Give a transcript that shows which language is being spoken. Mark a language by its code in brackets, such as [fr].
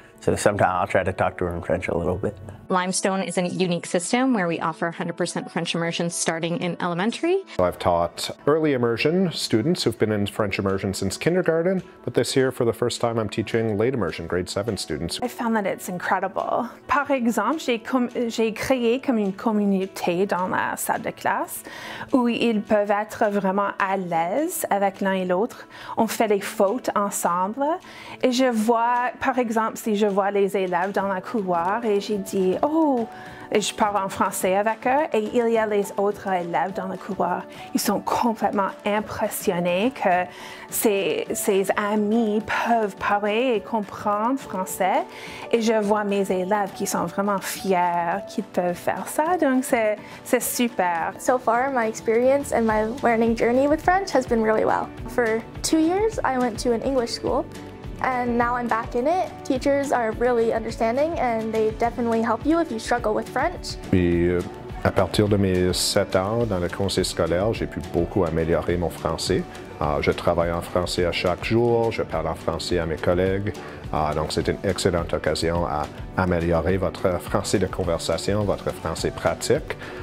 [en] So sometimes I'll try to talk to her in French a little bit. Limestone is a unique system where we offer 100% French immersion starting in elementary. I've taught early immersion students who've been in French immersion since kindergarten, but this year for the first time I'm teaching late immersion grade 7 students. I found that it's incredible. [fr] Par exemple, j'ai créé comme une communauté dans la salle de classe où ils peuvent être vraiment à l'aise avec l'un et l'autre. On fait des fautes ensemble et je vois, par exemple, si je vois les élèves dans la couloir et j'ai dit, oh, je parle en français avec eux et il y a les autres élèves dans le couloir. Ils sont complètement impressionnés que ces amis peuvent parler et comprendre français. Et je vois mes élèves qui sont vraiment fiers qu'ils peuvent faire ça. Donc c'est super. [en] So far, my experience and my learning journey with French has been really well. For 2 years, I went to an English school. And now I'm back in it. Teachers are really understanding and they definitely help you if you struggle with French. [fr] Et à partir de mes 7 ans dans le conseil scolaire, j'ai pu beaucoup améliorer mon français. Je travaille en français à chaque jour, je parle en français à mes collègues. Donc c'est une excellente occasion à améliorer votre français de conversation, votre français pratique.